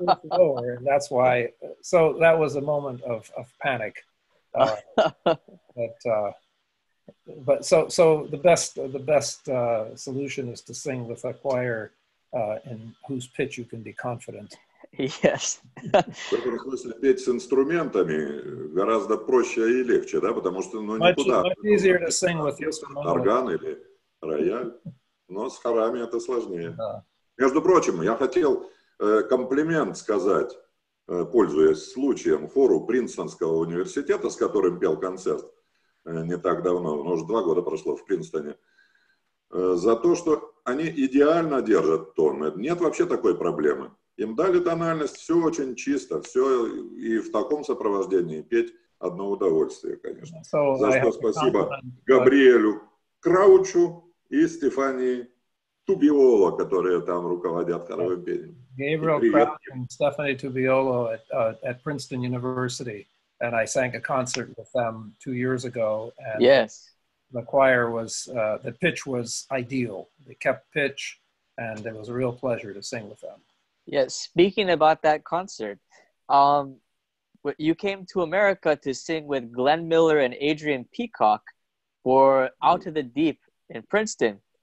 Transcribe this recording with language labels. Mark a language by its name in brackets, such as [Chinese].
[English] Lower, and that's why, so that was a moment of panic. But so the best solution is to sing with a choir in whose pitch you can be confident. Yes. [Russian] В этом смысле петь с инструментами гораздо проще и легче, да, потому что, ну, никуда. [English] Much easier to sing with instruments. [Russian] Орган или рояль, но с хорами это сложнее. Между прочим, я хотел комплимент сказать, пользуясь случаем, хору Принстонского университета, с которым пел концерт не так давно, но уже 2 года прошло в Принстоне, за то, что они идеально держат тон. Нет вообще такой проблемы. Им дали тональность, все очень чисто, все, и в таком сопровождении петь одно удовольствие, конечно. So за что спасибо Габриэлю Краучу и Стефании Тубиоло, которые там руководят хоровым пением. [English] Gabriel Crouch and Stephanie Tubiolo at Princeton University, and I sang a concert with them 2 years ago. And yes. The choir was, the pitch was ideal. They kept pitch, and it was a real pleasure to sing with them. Yes, speaking about that concert, you came to America to sing with Glenn Miller and Adrian Peacock for Out of the Deep in Princeton.